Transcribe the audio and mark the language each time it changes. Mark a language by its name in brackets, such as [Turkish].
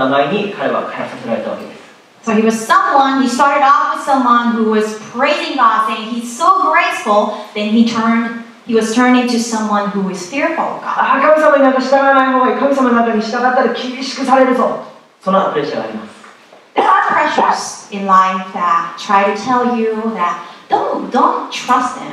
[Japanese] 神様は良い方だという名前から、神様は怖い方だ、そのような名前に彼は変えさせられたわけです。 [English] So he was someone, he started off with someone who was praising God, saying he's so graceful, then he was turned into someone who is fearful of God. [Japanese] 神様になんか従わない方がいい、神様なんかに従ったら厳しくされるぞ。そのようなプレッシャーがあります。 [English] There are pressures in life that try to tell you that Don't trust them.